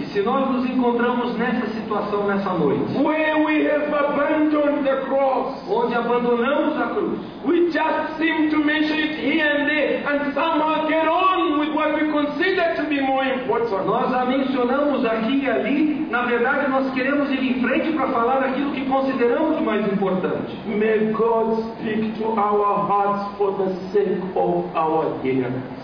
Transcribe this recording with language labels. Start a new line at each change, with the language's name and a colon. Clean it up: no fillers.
Portuguese: e se nós nos encontramos nessa situação nessa noite,
English: where we have abandoned the cross,
Portuguese: onde abandonamos a cruz,
English: we just seem to mention it here and there, and somehow get on with what we consider to be more important.
Portuguese: Nós a mencionamos aqui e ali, na verdade nós queremos ir em frente para falar aquilo que consideramos mais importante.
English: May God speak to our hearts for the sake of our hearing.